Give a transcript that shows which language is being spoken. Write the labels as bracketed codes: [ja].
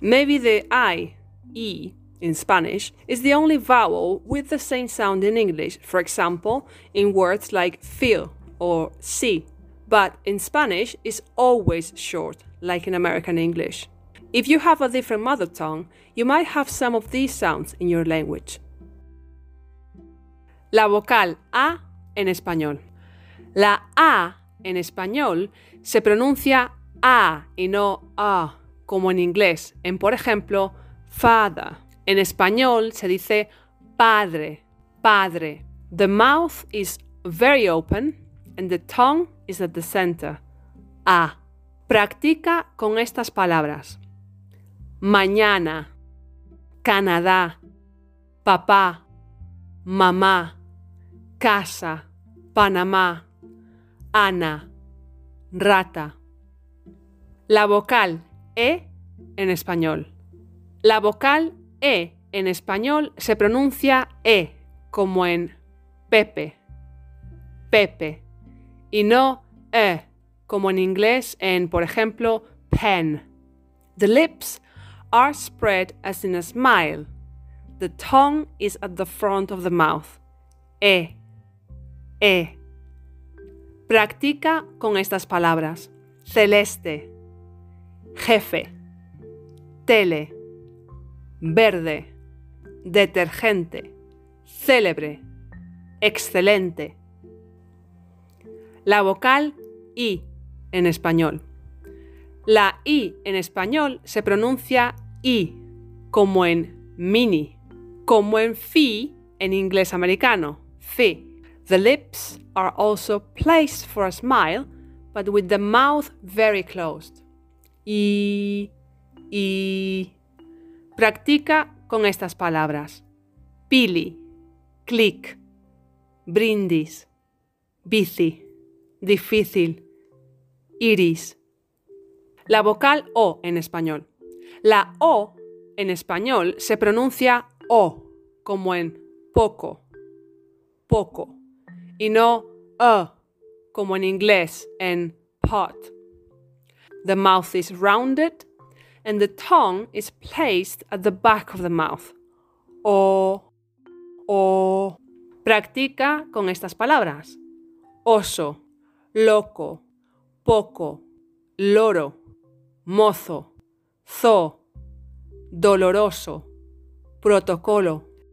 [en] Maybe the I, E, in Spanish, is the only vowel with the same sound in English, for example, in words like feel or see, but in Spanish is always short, like in American English. If you have a different mother tongue, you might have some of these sounds in your language. [es] La vocal A en español. La A en español se pronuncia A y no A, como en inglés, en por ejemplo, father. En español se dice padre, padre. [en] The mouth is very open and the tongue is at the center. [es] A. Practica con estas palabras. Mañana, Canadá, papá, mamá, casa, Panamá, Ana, rata. La vocal E en español. La vocal E en español se pronuncia E, como en Pepe, Pepe, y no E, como en inglés en, por ejemplo, pen. [en] The lips are spread as in a smile. The tongue is at the front of the mouth. [es] E. E. Practica con estas palabras. Celeste. Jefe. Tele. Verde. Detergente. Célebre. Excelente. La vocal I en español. La I en español se pronuncia I, como en mini, como en fi en inglés americano, fi. [en] The lips are also placed for a smile, but with the mouth very closed. [es] I, I. Practica con estas palabras. Pili, click, brindis, bici, difícil, iris. La vocal O en español. La O en español se pronuncia O, como en poco, poco, y no E, como en inglés, en pot. [en] The mouth is rounded and the tongue is placed at the back of the mouth. [es] O, O. Practica con estas palabras. Oso, loco, poco, loro, mozo, zoo, doloroso, protocolo.